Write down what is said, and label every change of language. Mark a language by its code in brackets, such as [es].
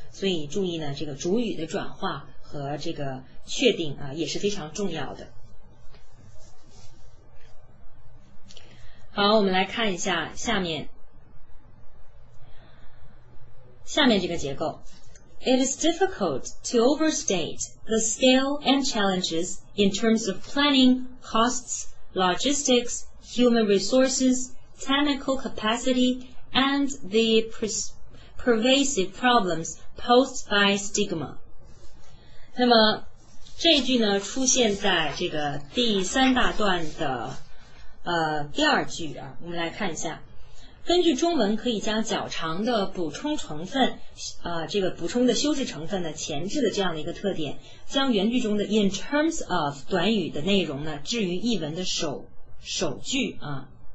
[zh] 所以注意呢，这个主语的转化和这个确定也是非常重要的。好，我们来看一下下面这个结构。 [en] It is difficult to overstate the scale and challenges in terms of planning, costs, logistics, human resources, technical capacity, and the pervasive problems posed by stigma. [zh] 那么这一句呢，出现在这个第三大段的第二句啊，我们来看一下。根据中文可以将较长的补充成分这个补充的修饰成分的前置的这样的一个特点，将原句中的 in terms of 短语的内容呢置于译文的首句啊。